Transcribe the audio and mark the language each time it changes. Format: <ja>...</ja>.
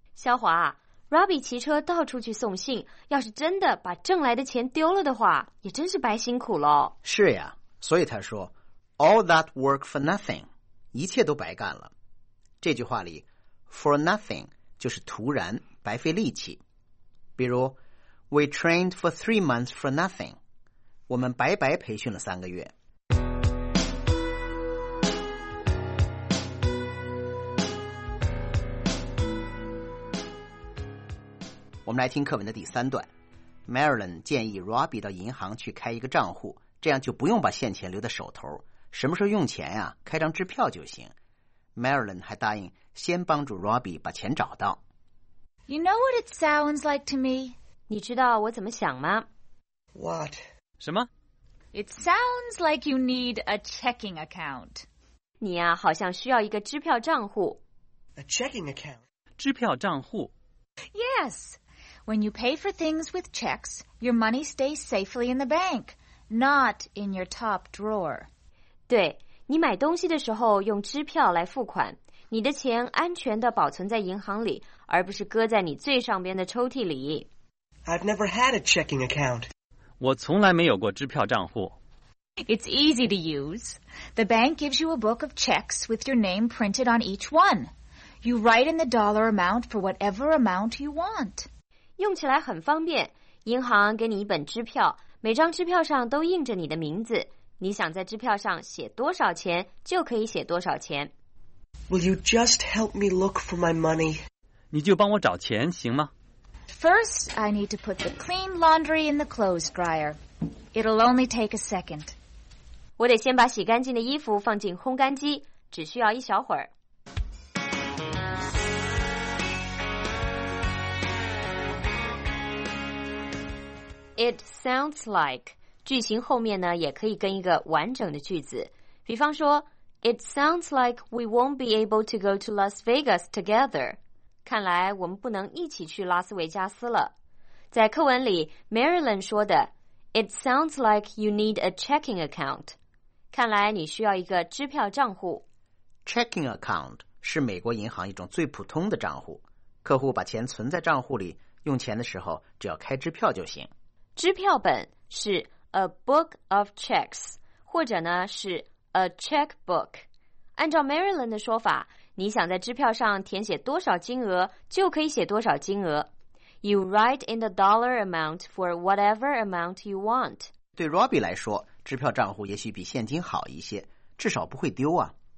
<zh>肖华， Robbie 骑车到处去送信，要是真的把挣来的钱丢了的话，也真是白辛苦了。是呀，所以他说</zh> <en>All that work for nothing,</en> <zh>一切都白干了。这句话里 ,for nothing, 就是徒然白费力气。比如 ,</zh> <en>we trained for 3 months for nothing,</en> <zh>我们白白培训了3个月。我们来听课文的第三段。Marilyn 建议 Robbie 到银行去开一个账户，这样就不用把现钱留在手头。什么时候用钱呀、啊？开张支票就行。 Marilyn 还答应先帮助 Robbie 把钱找到。</zh> <en>You know what it sounds like to me?</en> <zh>你知道我怎么想吗</zh> <en>？What?</en> <zh>什么</zh> <en>？It sounds like you need a checking account.</en> <zh>你呀、啊，好像需要一个支票账户。</zh> <en>A checking account.</en> <zh>支票账户。</zh> <en>Yes. When you pay for things with checks, your money stays safely in the bank, not in your top drawer.</en> <zh>对，你买东西的时候用支票来付款，你的钱安全地保存在银行里，而不是搁在你最上边的抽屉里。</zh> <en>I've never had a checking account.</en> <zh>我从来没有过支票账户。</zh> <en>It's easy to use. The bank gives you a book of checks with your name printed on each one. You write in the dollar amount for whatever amount you want.</en> <zh>用起来很方便，银行给你一本支票，每张支票上都印着你的名字。你想在支票上写多少钱就可以写多少钱。</zh> <en>Will you just help me look for my money?</en> <zh>你就帮我找钱行吗？</zh> <en>First, I need to put the clean laundry in the clothes dryer. It'll only take a second.</en> <zh>我得先把洗干净的衣服放进烘干机，只需要一小会儿。</zh> <en>It sounds like</en> <zh>句型后面呢也可以跟一个完整的句子，比方说</zh> <en>It sounds like we won't be able to go to Las Vegas together.</en> <zh>看来我们不能一起去拉斯维加斯了。在课文里 Marilyn 说的</zh> <en>It sounds like you need a checking account.</en> <zh>看来你需要一个支票账户。 Checking account 是美国银行一种最普通的账户，客户把钱存在账户里，用钱的时候只要开支票就行。支票本是</zh> <en>a book of checks，</en> <zh>或者呢是</zh> <en>a checkbook。</en> <zh>按照 Marilyn 的说法，你想在支票上填写多少金额就可以写多少金额。</zh> <en>You write in the dollar amount for whatever amount you want。</en> <zh>对 Robbie 来说，支票账户也许比现金好一些，至少不会丢啊。</zh>